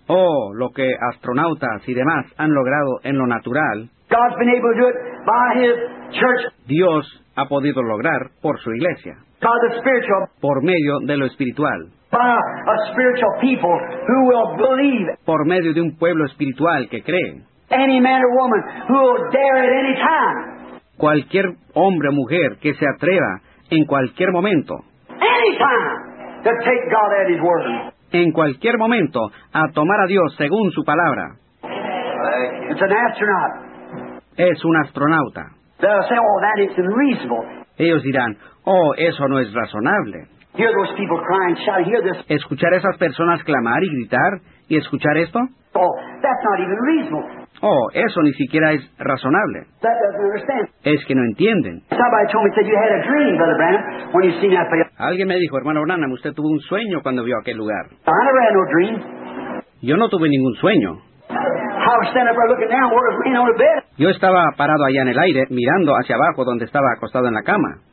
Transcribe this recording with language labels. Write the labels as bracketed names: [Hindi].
[Spanish] Oh, lo que astronautas y demás han logrado en lo natural. [English] God's been able to do it by His church. [Spanish] Dios ha podido lograr por su iglesia. [English] By the spiritual. [Spanish] Por medio de lo espiritual. [English] By a spiritual people who will believe. [Spanish] Por medio de un pueblo espiritual que cree. [English] Any man or woman who will dare at any time. [Spanish] Cualquier hombre o mujer que se atreva en cualquier momento. [English] Any time to take God at His word. [Spanish] En cualquier momento a tomar a Dios según su palabra. [English] It's an astronaut. [Spanish] Es un astronauta. [English] They'll say, oh, that is unreasonable. [Spanish] Ellos dirán, oh, eso no es razonable. [English] Hear those people crying, shout, hear this. [Spanish] Escuchar a esas personas clamar y gritar y escuchar esto. [English] Oh, that's not even reasonable. [Spanish] Oh, eso ni siquiera es razonable. [English] That doesn't understand. [Spanish] Es que no entienden. [English] Somebody told me, said you had a dream, Brother Branham, when you seen that place. [Spanish] Alguien me dijo, hermano Branham, usted tuvo un sueño cuando vio aquel lugar. [English] I never had no dream. [Spanish] Yo no tuve ningún sueño. [English] I was standing up there looking down, where I was on the bed. [Spanish] Yo estaba parado allá en el aire, mirando hacia abajo donde estaba acostado en la cama.